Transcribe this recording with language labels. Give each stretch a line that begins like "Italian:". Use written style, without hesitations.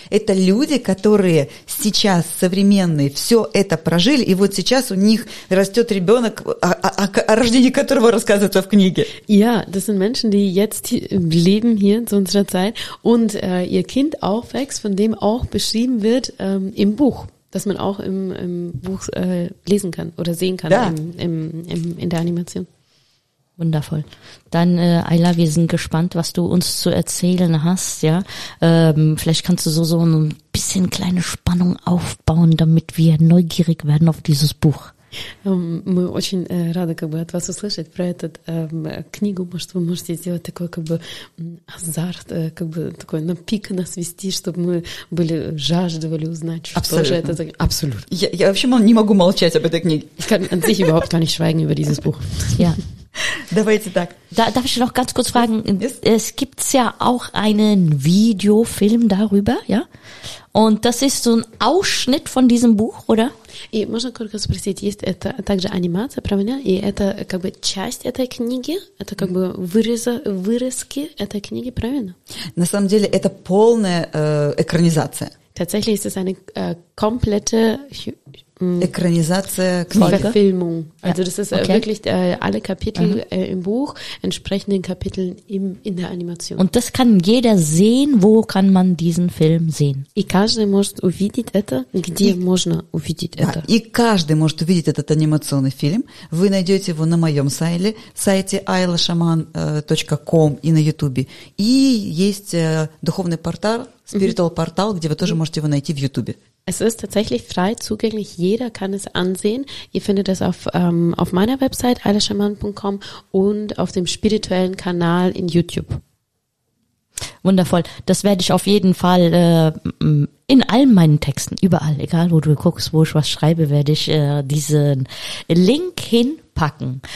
Russian: Это люди, которые сейчас современные, все это прожили, и вот сейчас у них растет ребенок, о рождении которого рассказывается в книге.
German: Ja, das sind Menschen, die jetzt leben hier zu unserer Zeit und ihr Kind aufwächst, von dem auch beschrieben wird im Buch. Das man auch im Buch lesen kann oder sehen kann, ja. In der Animation. Wundervoll. Dann, Ayla, wir sind gespannt, was du uns zu erzählen hast, ja. Vielleicht kannst du so ein bisschen kleine Spannung aufbauen, damit wir neugierig werden auf dieses Buch.
Russian: Мы очень рады, как бы, от вас услышать про эту книгу. Может, вы можете сделать такой, как бы, азарт, как бы, такой на пик нас вести, чтобы мы были жаждывали узнать, что абсолютно. Же это за... Абсолютно. Я вообще не могу молчать об этой книге.
German: Ich kann an sich überhaupt gar nicht schweigen über dieses Buch. Ja.
Russian: Давайте так.
German: Da, darf ich noch ganz kurz fragen? Yes. Es gibt ja auch einen Videofilm darüber, ja? Und das ist so ein Ausschnitt von diesem Buch, oder?
Russian: И можно коротко спросить, есть это также анимация, правильно? И это как бы часть этой книги? Это как бы вырезки этой книги, правильно? На самом деле это полная экранизация.
German: Tatsächlich ist es eine komplette
Russian: Экранизация книги.
German: Verfilmung. Also das ist wirklich alle Kapitel im Buch, entsprechenden Kapiteln in der Animation. Und das kann jeder sehen, wo kann man diesen Film sehen?
Russian: И каждый может увидеть это, где можно увидеть это. И каждый может увидеть этот анимационный фильм. Вы найдете его на моем сайте aylashaman.com и на Ютубе. И есть духовный портал, Spiritual Portal, где вы тоже можете его найти в Ютубе.
German: Es ist tatsächlich frei zugänglich. Jeder kann es ansehen. Ihr findet es auf meiner Website aylashaman.com und auf dem spirituellen Kanal in YouTube. Wundervoll. Das werde ich auf jeden Fall in all meinen Texten, überall, egal wo du guckst, wo ich was schreibe, werde ich diesen Link hinpacken.